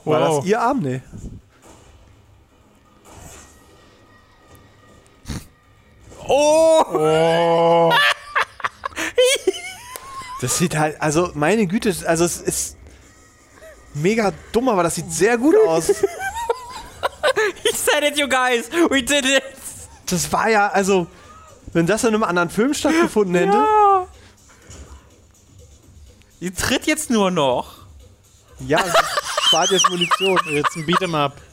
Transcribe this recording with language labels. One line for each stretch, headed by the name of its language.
German: War wow. das ihr Arm, ne? Oh! Oh. Das sieht halt, also meine Güte, also es ist mega dumm, aber das sieht sehr gut aus.
English: He said it, you guys, we did it.
German: Das war ja, also, wenn das in einem anderen Film stattgefunden hätte. Ja. Die tritt jetzt nur noch. Ja, spart jetzt Munition. Jetzt ein Beat'em'up.